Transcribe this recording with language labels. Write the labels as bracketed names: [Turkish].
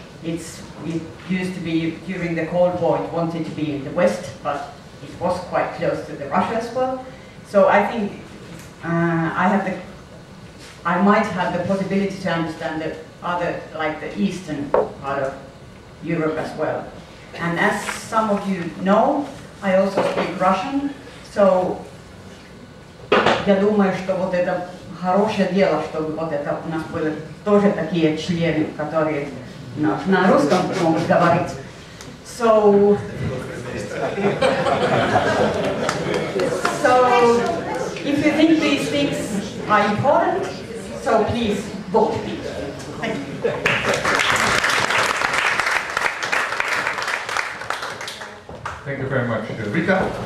[English] It's, it used to be, during the Cold War, it wanted to be in the west, but it was quite close to the Russia as well. So I think I might have the possibility to understand the other, like the eastern part of Europe as well. And as some of you know, I also speak Russian. So [Russian] я думаю, что вот это хорошее дело, чтобы вот это у нас были тоже такие члены, которые на русском могут говорить. [English] So so if you think these things are important, so please vote me. Thank you. Thank you very much, Rita.